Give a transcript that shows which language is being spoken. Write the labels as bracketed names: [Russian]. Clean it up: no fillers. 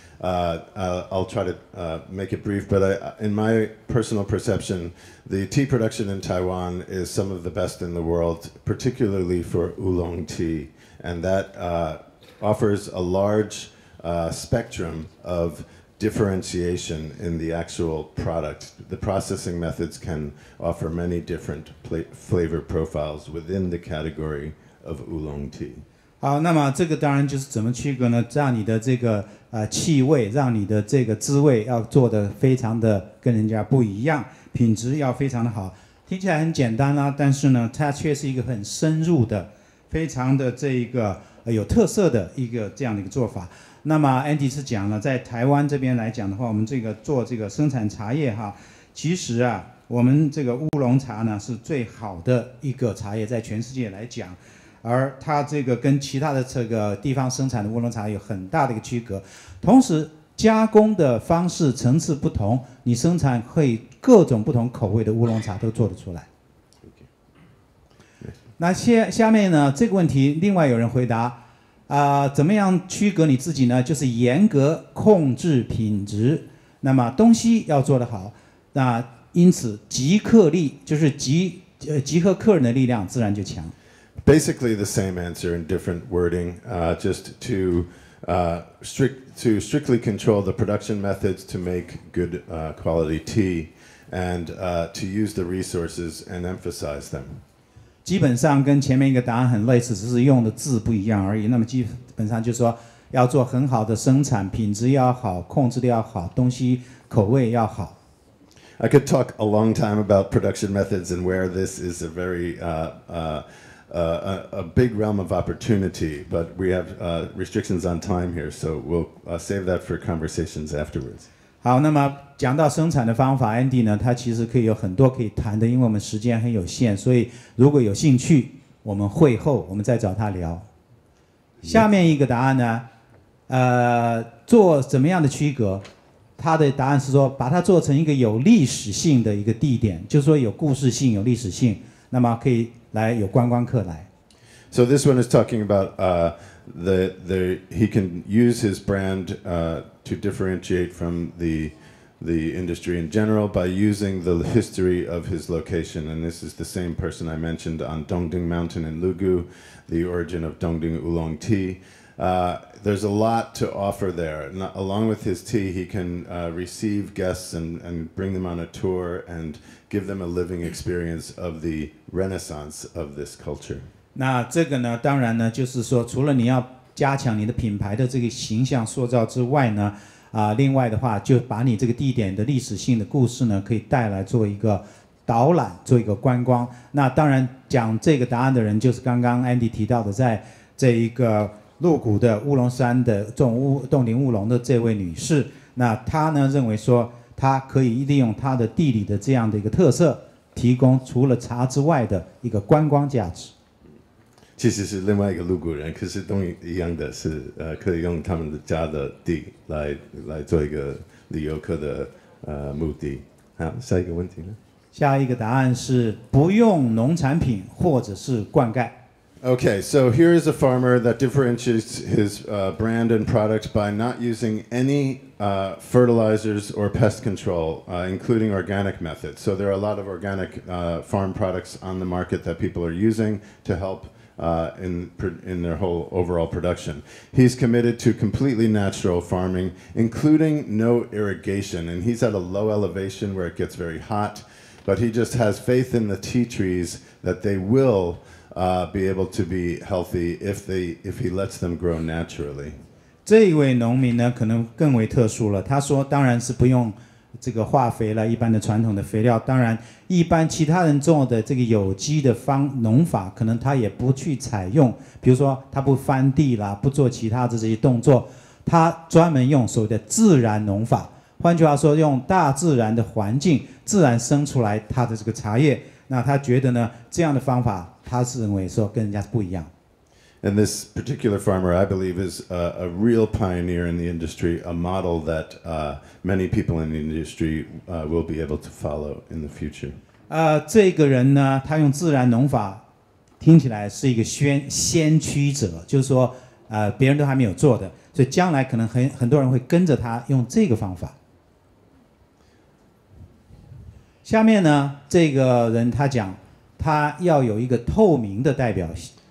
[English] I'll try to make it brief, but in my personal perception, the tea production in Taiwan is some of the best in the world, particularly for oolong tea, and that. Offers a large spectrum of differentiation in the actual product. The processing methods can offer many different flavor profiles within the category of oolong tea. [Chinese] 好，那么这个当然就是怎么区隔呢？让你的这个气味，让你的这个滋味要做得非常的跟人家不一样，品质要非常的好。听起来很简单啦，但是呢，它却是一个很深入的，非常的这一个。有特色的一个这样的一个做法。那么 Andy 是讲了，在台湾这边来讲的话，我们这个做这个生产茶叶哈，其实啊，我们这个乌龙茶呢是最好的一个茶叶，在全世界来讲，而它这个跟其他的这个地方生产的乌龙茶有很大的一个区隔，同时加工的方式层次不同，你生产可以各种不同口味的乌龙茶都做得出来。那下面呢这个问题另外有人回答怎么样区隔你自己呢就是严格控制品质那么东西要做得好那因此集客力就是 集合客人的力量自然就强 [English] Basically the same answer in different wording just to strictly control the production methods to make good quality tea and to use the resources and emphasize them [Chinese] 基本上跟前面一个答案很类似，只是用的字不一样而已。那么基本上就是说，要做很好的生产，品质要好，控制的要好，东西口味要好。 [English] I could talk a long time about production methods and where this is a very a big realm of opportunity, but we have restrictions on time here, so we'll save that for conversations afterwards. [Chinese] 好，那么讲到生产的方法 ，Andy 呢，他其实可以有很多可以谈的，因为我们时间很有限，所以如果有兴趣，我们会后我们再找他聊。下面一个答案呢，做怎么样的区隔？他的答案是说，把它做成一个有历史性的一个地点，就是说有故事性、有历史性，那么可以来有观光客来。 [English] So this one is talking about the he can use his brand to differentiate from the industry in general by using the history of his location and this is the same person I mentioned on Dongding Mountain in Lugu the origin of Dongding Oolong tea there's a lot to offer there Not, along with his tea he can receive guests and bring them on a tour and give them a living experience of the renaissance of this culture [Chinese] 那这个呢当然呢就是说除了你要加强你的品牌的这个形象塑造之外呢另外的话就把你这个地点的历史性的故事呢可以带来做一个导览做一个观光那当然讲这个答案的人就是刚刚 Andy 提到的在这一个鹿谷的乌龙山的洞顶乌龙的这位女士那她呢认为说她可以利用她的地理的这样的一个特色提供除了茶之外的一个观光价值其实是另外一个鹿谷人，可是都一样的是，可以用他们的家的地来做一个旅游客的目的。好，下一个问题呢？下一个答案是不用农产品或者是灌溉。 [English] Okay, so here is a farmer that differentiates his brand and product by not using any fertilizers or pest control, including organic methods. So there are a lot of organic farm products on the market that people are using to help. In their whole overall production. He's committed to completely natural farming, including no irrigation. And he's at a low elevation where it gets very hot, but he just has faith in the tea trees that they will be able to be healthy if he lets them grow naturally. [Chinese] 这一位农民呢，可能更为特殊了。他说，当然是不用这个化肥了，一般的传统的肥料。当然，一般其他人做的这个有机的农法，可能他也不去采用。比如说，他不翻地啦，不做其他的这些动作，他专门用所谓的自然农法。换句话说，用大自然的环境自然生出来他的这个茶叶。那他觉得呢，这样的方法，他是认为说跟人家是不一样。 [English] And this particular farmer, I believe, is a real pioneer in the industry, a model that many people in the industry will be able to follow in the future. [Chinese] 这个人呢，他用自然农法，听起来是一个先驱者，就是说，别人都还没有做的，所以将来可能很多人会跟着他用这个方法。下面呢，这个人他讲，他要有一个透明的代表性。